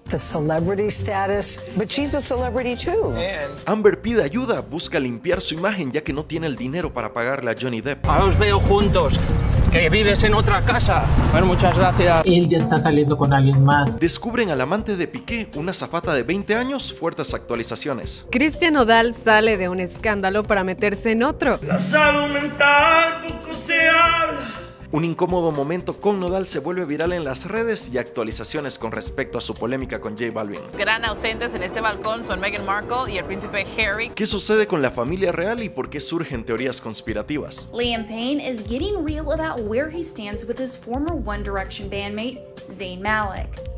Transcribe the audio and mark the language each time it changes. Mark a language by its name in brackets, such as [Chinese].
[English] The celebrity status, but she's a celebrity too. And [Spanish] Amber pide ayuda, busca limpiar su imagen ya que no tiene el dinero para pagarle a Johnny Depp. Ahora os veo juntos. Que vives en otra casa. Bueno, muchas gracias. Él ya está saliendo con alguien más. Descubren al amante de Piqué, una azafata de 20 años, fuertes actualizaciones. Cristian Nodal sale de un escándalo para meterse en otro. La salud mental, poco se habla. Un incómodo momento con Nodal se vuelve viral en las redes y actualizaciones con respecto a su polémica con J Balvin. Gran ausentes en este balcón son Meghan Markle y el príncipe Harry. ¿Qué sucede con la familia real y por qué surgen teorías conspirativas? [English] Liam Payne is getting real about where he stands with his former One Direction bandmate Zayn Malik.